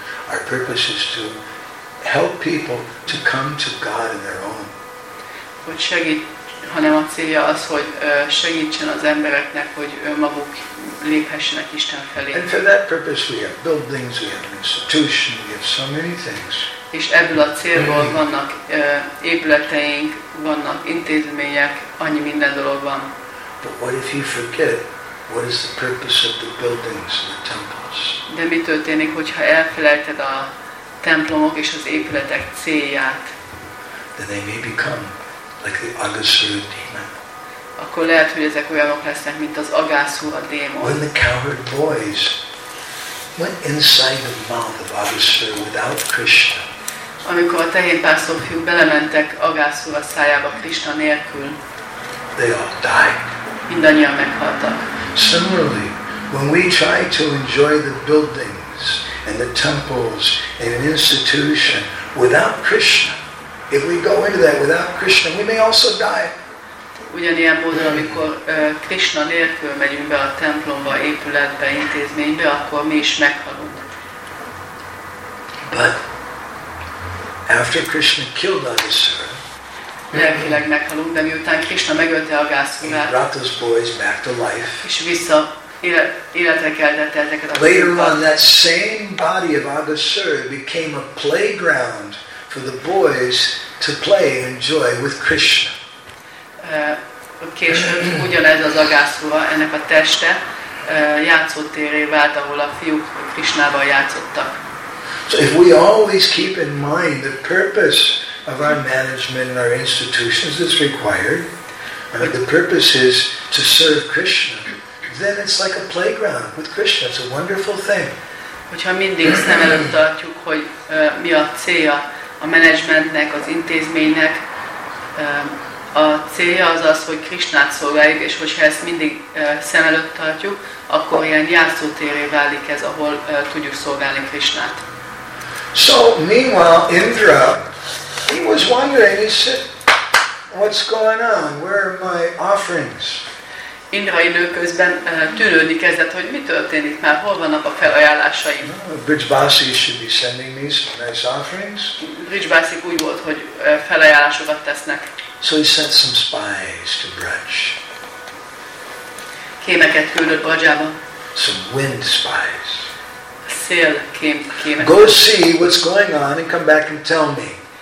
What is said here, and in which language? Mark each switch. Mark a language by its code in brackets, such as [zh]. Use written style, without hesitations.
[en] Our purpose is to help people to come to God in their own. [hu] Hogy segít, hanem a célja az, hogy segítsen az embereknek, hogy önmaguk léphessenek Isten felé. [en] And for that purpose we have buildings, we have an institution, we have so many things. [hu] És ebből a célból vannak épületeink, vannak intézmények, annyi minden dolog van. [en] But what if you forget what is the purpose of the buildings and the temples? [hu] De mi történik, hogyha elfelejted a templomok és az épületek célját? [en] Then they may become like the Agassur demon. [hu] Akkor lehet, hogy ezek olyanok lesznek, mint az Agassur a démon. [en] When the coward boys went inside the mouth of Agassur without Krishna. [hu] Amikor a tehénpásztor fiúk belementek Agassur a szájába Krishna nélkül. [en] They all died. [hu] Mindannyian meghaltak. [en] Similarly, when we try to enjoy the buildings and the temples and an institution without Krishna, if we go into that without Krishna, we may also die. [hu] ugyanilyen módon, amikor Krishna nélkül megyünk be a templomba, épületbe, intézménybe, akkor mi is meghalunk. [en] But after Krishna killed Agassura, [hu] lelkileg meghalunk, de miután Krishna megölte Agassurát, [en] he brought those boys back to life. [hu] És vissza életre keltette ezeket a fiúkat. [en] Later on, that same body of Agassura became a playground for the boys to play and enjoy with Krishna. [hu] Később ugyanez az Agassura, ennek a teste játszótéré vált, ahol a fiúk Krishnával játszottak. [en] So if we always keep in mind the purpose of our management and our institutions that's required, and if the purpose is to serve Krishna, then it's like a playground with Krishna. It's a wonderful thing. [hu] Hogyha mindig szem előtt tartjuk, hogy mi a célja a managementnek, az intézménynek, a célja az az, hogy Krishnát szolgáljuk, és hogyha ezt mindig szem előtt tartjuk, akkor ilyen játszótéré válik ez, ahol tudjuk szolgálni Krishnát. [en] So meanwhile, Indra, he was wondering. He said, "What's going on? Where are my offerings?" [hu] Indra időközben tűnődni kezdett, hogy mi történik már, hol vannak a felajánlásaim. [en] Vrijbasi should be sending me some nice offerings. [hu] Vrijbasi úgy volt, hogy felajánlásokat tesznek. [en] So he sent some spies to Braj. [hu] Kémeket küldött Brajába. [en] Some wind spies. [hu] Szél kémeket. [en] Go see what's going on and come back and tell me.